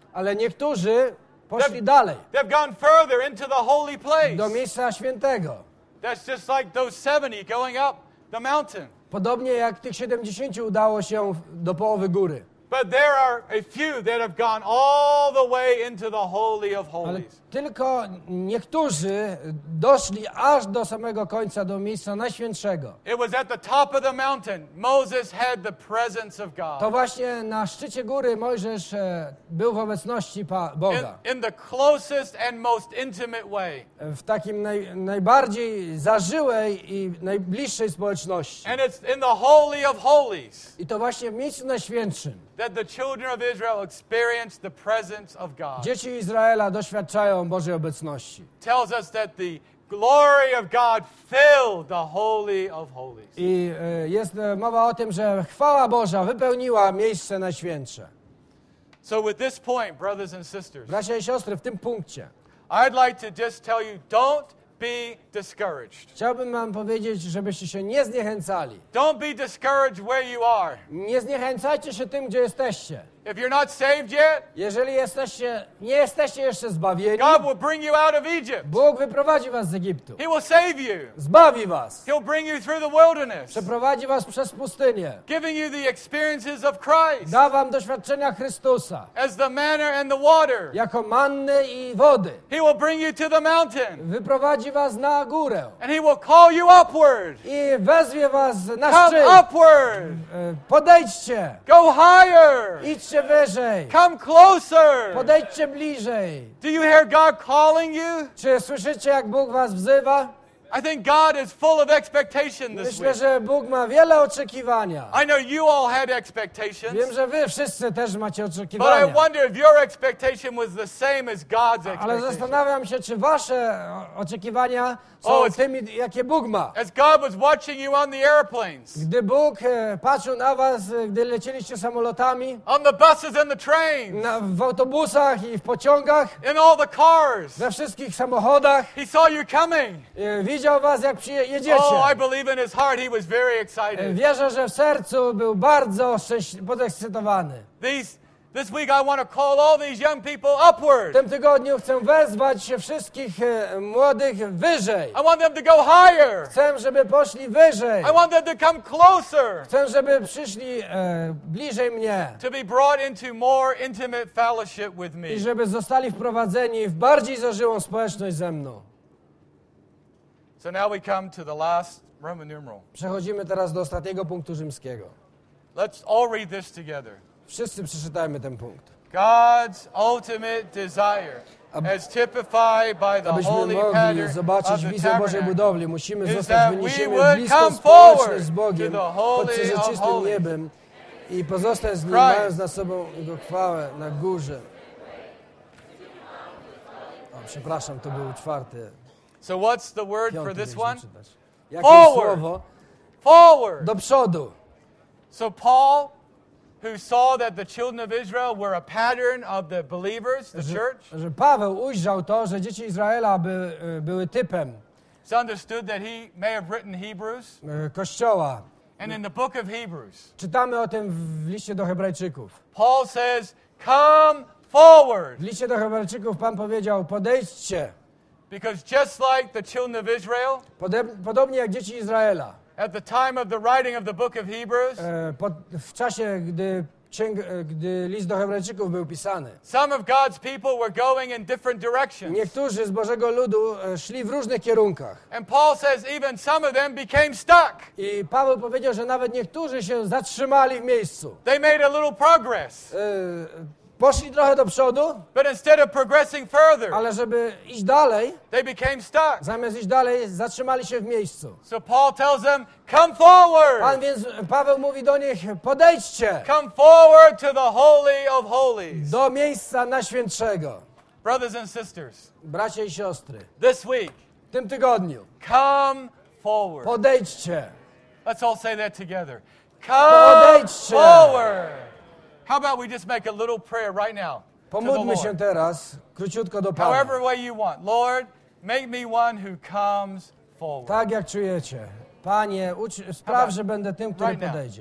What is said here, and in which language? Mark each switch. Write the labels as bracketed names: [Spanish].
[Polish] Ale niektórzy poszli dalej. [English] They've gone further into the holy place. [Polish] Do miejsca świętego. [English] That's just like those 70 going up the mountain. [Polish] Podobnie jak tych 70 udało się do połowy góry. [English] But there are a few that have gone all the way into the Holy of Holies. [Polish] Tylko niektórzy doszli aż do samego końca, do miejsca najświętszego. [English] It was at the top of the mountain. Moses had the presence of God. [Polish] To właśnie na szczycie góry Mojżesz był w obecności Boga. [English] In the closest and most intimate way. [Polish] W takim najbardziej zażyłej i najbliższej społeczności. [English] And it's in the Holy of Holies. [Polish] I to właśnie w miejscu najświętszym. [English] That the children of Israel experience the presence of God. [Polish] Dzieci Izraela doświadczają Bożej obecności. [English] Tells us that the glory of God filled the Holy of Holies. [Polish] I jest mowa o tym, że chwała Boża wypełniła miejsce najświętsze. [English] So with this point, brothers and sisters, [Polish] bracia i siostry, w tym punkcie, [English] I'd like to just tell you, don't be discouraged. [Polish] Chciałbym wam powiedzieć, żebyście się nie zniechęcali. [English] Don't be discouraged where you are. [Polish] Nie zniechęcajcie się tym, gdzie jesteście. [English] If you're not saved yet, [Polish] jeżeli jesteście, nie jesteście jeszcze zbawieni, [English] God will bring you out of Egypt. [Polish] Bóg wyprowadzi was z Egiptu. [English] He will save you. [Polish] Zbawi was. [English] He'll bring you through the wilderness. [Polish] Przeprowadzi was przez pustynię. [English] Giving you the experiences of Christ. [Polish] Da wam doświadczenia Chrystusa. [English] As the manna and the water. [Polish] Jako manny i wody. [English] He will bring you to the mountain. [Polish] Wyprowadzi was na górę. [English] And he will call you upward. [Polish] I wezwie was na [English] Come [Polish] szczyt. [English] Upward. [Polish] Podejdźcie. [English] Go higher. [Polish] Idźcie wyżej. [English] Come closer. [Polish] Podejdźcie bliżej. [English] Do you hear God calling you? [Polish] Czy słyszycie, jak Bóg was wzywa? [English] I think God is full of expectation this [Polish] Myślę, że Bóg ma wiele oczekiwania. [English] I know you all had expectations. [Polish] Wiem, że wy wszyscy też macie oczekiwania. [English] But I wonder if your expectation was the same as God's expectation. [Polish] Ale zastanawiam się, czy wasze oczekiwania są tymi, jakie Bóg ma. [English] As God was watching you on the airplanes. [Polish] Gdy Bóg patrzył na was, gdy lecieliście samolotami. [English] On the buses and the trains. [Polish] W autobusach i w pociągach. [English] In all the cars. [Polish] We wszystkich samochodach. [English] He saw you coming. [Polish] Widział was, jak jedziecie. [English] Oh, I believe in his heart he was very excited. [Polish] Wierzę, że w sercu był bardzo podekscytowany. [English] This week I want to call all these young people upward. [Polish] W tym tygodniu chcę wezwać wszystkich młodych wyżej. [English] I want them to go higher. [Polish] Chcę, żeby poszli wyżej. [English] I want them to come closer. [Polish] Chcę, żeby przyszli bliżej mnie. [English] To be brought into more intimate fellowship with me. [Polish] I żeby zostali wprowadzeni w bardziej zażyłą społeczność ze mną. [English] So now we come to the last Roman numeral. [Polish] Przechodzimy teraz do ostatniego punktu rzymskiego. [English] Let's all read this together. [Polish] Wszyscy przeczytajmy ten punkt. [English] God's ultimate desire, as typified by the holy pattern of the tabernacle, [Polish] musimy zostać wyniesieni blisko społeczność z Bogiem podczas czystym niebem i pozostać z Nim, mając za sobą Jego chwałę na górze. O, przepraszam, to był czwarty. [English] So what's the word for this one? Forward. [Polish] Słowo? [English] Forward. [Polish] Do przodu. [English] So Paul, who saw that the children of Israel were a pattern of the believers, the church. [Polish] Że Paweł ujrzał to, że dzieci Izraela były typem. [English] So understood that he may have written Hebrews. [Polish] Kościoła. [English] And in the book of Hebrews. [Polish] Czytamy o tym w liście do Hebrajczyków. [English] Paul says, "Come forward." [Polish] W liście do Hebrajczyków Pan powiedział: "Podejdźcie." [English] Because just like the children of Israel, [Polish] podobnie jak dzieci Izraela, [English] at the time of the writing of the book of Hebrews, [Polish] w czasie gdy list do Hebrajczyków był pisany, [English] some of God's people were going in different directions. [Polish] Niektórzy z Bożego ludu szli w różnych kierunkach. [English] And Paul says even some of them became stuck. [Polish] I Paweł powiedział, że nawet niektórzy się zatrzymali w miejscu. [English] They made a little progress. [Polish] Poszli trochę do przodu, [English] but instead of progressing further, [Polish] ale żeby iść dalej, [English] they became stuck. [Polish] Zamiast iść dalej, zatrzymali się w miejscu. [English] So Paul tells them, come forward. [Polish] Pan więc Paweł mówi do nich, podejdźcie. [English] Come forward to the Holy of Holies. [Polish] Do miejsca najświętszego. [English] Brothers and sisters, [Polish] bracia i siostry, [English] this week, [Polish] w tym tygodniu, [English] come forward. [Polish] Podejdźcie. [English] Let's all say that together. Come [Polish] podejdźcie. [English] Forward. How about we just make a little prayer right now? [Polish] Pomódlmy się teraz króciutko do Pana. [English] However way you want. Lord, make me one who comes forward. [Polish] Tak jak czujecie. Panie, spraw, że będę tym, który podejdzie.